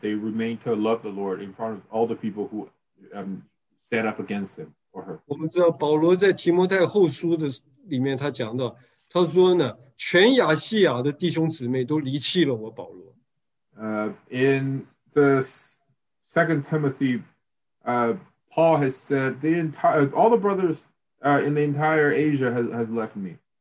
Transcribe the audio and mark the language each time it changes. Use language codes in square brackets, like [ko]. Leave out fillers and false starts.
[en] They remain to love the Lord in front of all the people who stand up against him or her. [zh] 我们知道保罗在提摩太后书的里面他讲到，他说呢， 全亚细亚的弟兄姊妹都离弃了我保罗。 [en] In the Second Timothy, Paul has said the entire all the brothers. In the entire Asia has left me.